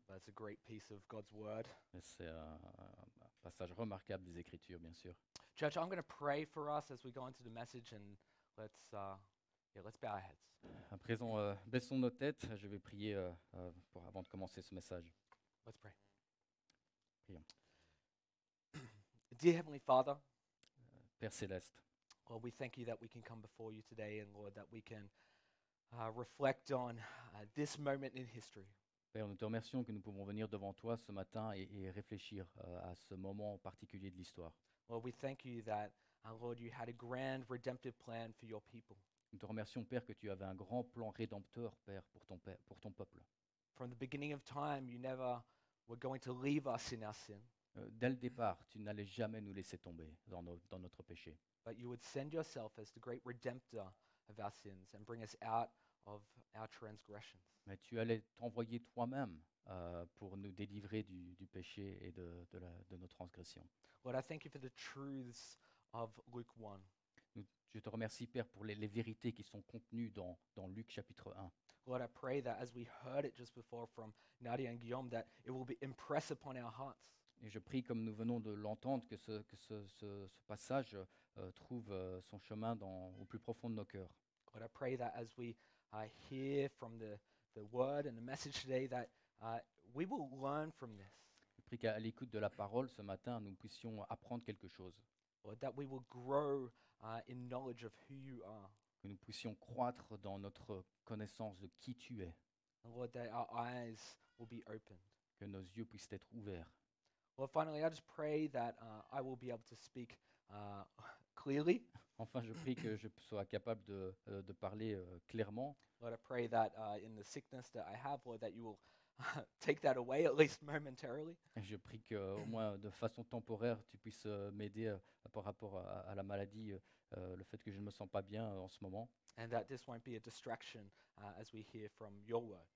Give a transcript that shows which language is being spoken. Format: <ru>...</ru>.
<en>But it's a great piece of God's word.</en> <fr>C'est passage remarquable des Écritures, bien sûr.</fr> <en>Church, I'm going to pray for us as we go into the message, and let's bow our heads.</en> <fr>À présent, baissons nos têtes. Je vais prier pour avant de commencer ce message.</fr> <en>Let's pray.</en> <fr>Prions.</fr> <en>Dear Heavenly Father,</en> <fr>Père céleste,</fr> <en>Lord, we thank you that we can come before you today, and Lord, that we can reflect on this moment in history.</en> <fr>Père, nous te remercions que nous pouvons venir devant toi ce matin et réfléchir à ce moment particulier de l'histoire.</fr> <en>Lord, we thank you that, Lord, you had a grand redemptive plan for your people.</en> <fr>Nous te remercions, Père, que tu avais un grand plan rédempteur, Père, pour ton peuple.</fr> <en>From the beginning of time, you never were going to leave us in our sin.</en> <fr>Dès le départ, tu n'allais jamais nous laisser tomber dans notre péché.</fr> <en>But you would send yourself as the great redemptor of our sins and bring us out of our transgressions.</en> <fr>Mais tu allais t'envoyer toi-même pour nous délivrer du péché et de nos transgressions.</fr> <en>Lord, I thank you for the truths of Luke 1.</en> <fr>Je te remercie, Père, pour les vérités qui sont contenues dans Luc chapitre 1.</fr> <en>Lord, I pray that as we heard it just before from Nadia and Guillaume, that it will be impressed upon our hearts.</en> <fr>Et je prie, comme nous venons de l'entendre, que ce passage trouve son chemin au plus profond de nos cœurs.</fr> <en>Lord, I pray that as we hear from the word and the message today, that we will learn from this.</en> <fr>Je prie qu'à l'écoute de la parole ce matin, nous puissions apprendre quelque chose.</fr> <en>Lord, that we will grow in knowledge of who you are.</en> <fr>Que nous puissions croître dans notre connaissance de qui tu es.</fr> <en>And Lord, that our eyes will be opened.</en> <fr>Que nos yeux puissent être ouverts.</fr> <en>Well, finally, I just pray that I will be able to speak clearly.</en> <fr>Enfin, je prie que je sois capable de parler clairement.</fr> <en>Lord, I pray that in the sickness that I have, Lord, that you will take that away at least momentarily.</en> <fr>Je prie que, au moins de façon temporaire, tu puisses m'aider par rapport à la maladie, le fait que je ne me sens pas bien en ce moment.</fr> <en>And that this won't be a distraction as we hear from your word.</en>